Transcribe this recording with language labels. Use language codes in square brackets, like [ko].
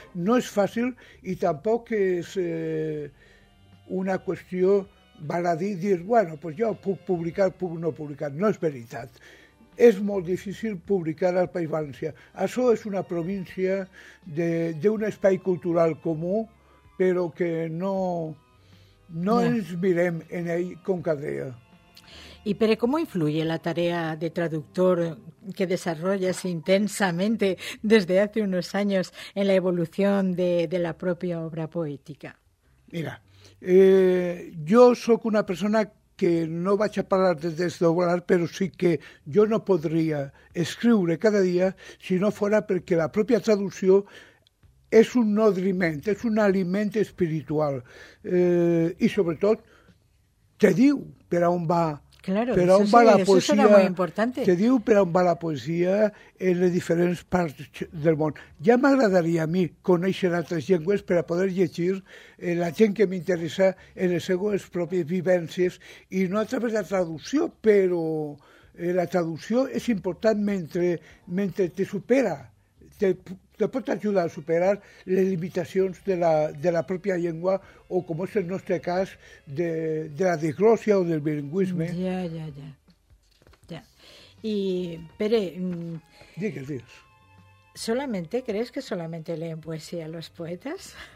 [ca] No és fàcil i tampoc és una qüestió baladí dir, bueno, pues jo puc publicar, puc no publicar. No és veritat. És molt difícil publicar al País Valencià. Això és una província d'un espai cultural comú, però que no ens mirem en ell com caldria. [es] I, Pere, com influye la tarea de traductor que desarrollas intensamente desde hace unos años en la evolución de la propia obra poética? [ca] Mira, jo sóc una persona que no vaig a parlar de desdoblar, però sí que jo no podria escriure cada dia si no fos perquè la pròpia traducció és un nodriment, és un aliment espiritual. I sobretot, te diu per on va, [es] claro, [ca] per on va la poesia. [es] Eso suena muy importante. [ca] Te diu per on va la poesia en les diferents parts del món. Ja m'agradaria a mi conèixer altres llengües per a poder llegir la gent que m'interessa en les seues pròpies vivències i no a través de la traducció, però la traducció és important mentre te supera, [es] Después te ayuda a superar las limitaciones de la propia lengua, o como es en nuestro caso, de la diglosia o del bilingüismo. Ya. Y, Pere, [ca] Dígues. [es] ¿Solamente crees que solamente leen poesía los poetas?